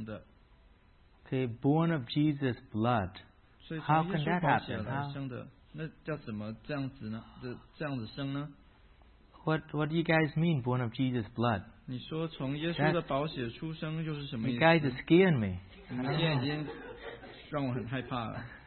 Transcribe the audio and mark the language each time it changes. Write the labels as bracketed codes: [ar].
[zh] 那我对圣经的了解是说，这里讲的水是指的耶稣的宝血，所以说从水和圣灵生的是从耶稣的宝血生的。 [en] Okay, born of Jesus blood. How can that happen? [zh] 那叫怎么这样子呢？这样子生呢？ [en] What do you guys mean born of Jesus blood? [zh] 你说从耶稣的宝血出生又是什么意思？ [en] You guys are scaring me. [zh] 你们现在已经让我很害怕了。